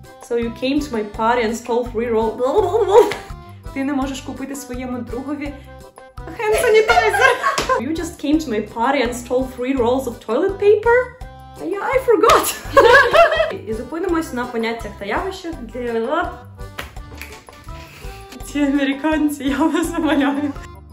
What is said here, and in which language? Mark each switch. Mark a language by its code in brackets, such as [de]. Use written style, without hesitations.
[en] So you came to my party and stole 3 rolls... [uk] Ти не можеш купити своєму другові... [en] Hand sanitizer! came to my party and stole 3 rolls of toilet paper? Yeah, I forgot! [uk] І зупинимось на поняттях та явищах. Ці американці, [ru] я вас умоляю.